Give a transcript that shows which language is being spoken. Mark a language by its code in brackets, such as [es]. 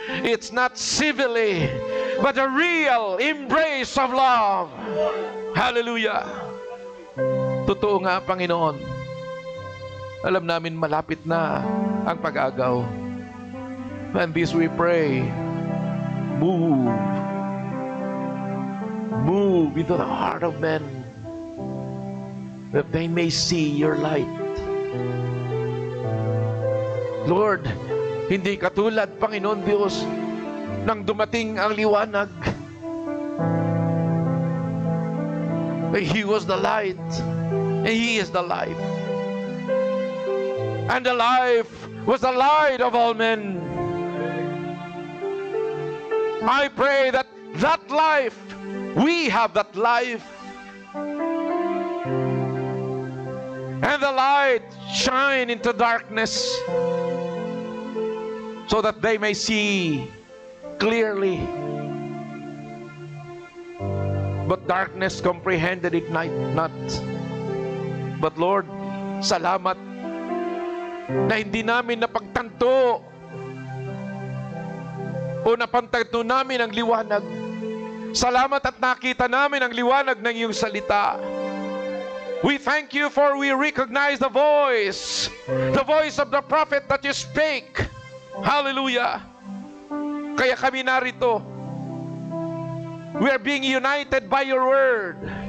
[en] It's not civilly, but a real embrace of love. [tl] Hallelujah! Totoo nga, Panginoon. Alam namin malapit na ang pag-agaw. [en] And this we pray, move into the heart of men, that they may see your light. [tl] Lord, hindi katulad, Panginoon Diyos, nang dumating ang liwanag. [en] He was the light, and He is the life. And the life was the light of all men. I pray that life, we have that life. And the light shine into darkness, so that they may see clearly. But darkness comprehended it not. But Lord, [tl] salamat na hindi namin napagtanto o napantagto namin ang liwanag. Salamat at nakita namin ang liwanag ng iyong salita. [en] We thank you for we recognize the voice of the prophet that you speak. Hallelujah. [tl] Kaya kami narito. [en] We are being united by your word.